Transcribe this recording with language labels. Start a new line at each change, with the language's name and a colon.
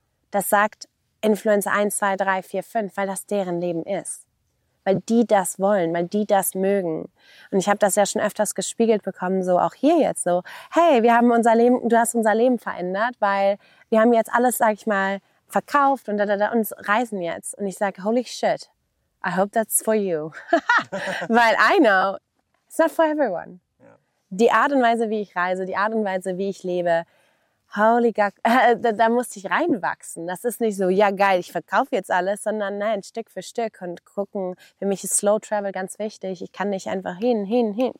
German: Das sagt Influencer 1, 2, 3, 4, 5, weil das deren Leben ist. Weil die das wollen, weil die das mögen. Und ich habe das ja schon öfters gespiegelt bekommen, so auch hier jetzt so, hey, wir haben unser Leben, du hast unser Leben verändert, weil wir haben jetzt alles, sag ich mal, verkauft und da uns reisen jetzt. Und ich sage,
English: holy shit, I hope that's for you.
German: Weil
English: I know, it's not for everyone. Yeah.
German: Die Art und Weise, wie ich reise, die Art und Weise, wie ich lebe,
English: holy God,
German: da musste ich reinwachsen. Das ist nicht so, ja geil, ich verkaufe jetzt alles, sondern nein, Stück für Stück und gucken. Für mich ist Slow Travel ganz wichtig. Ich kann nicht einfach hin.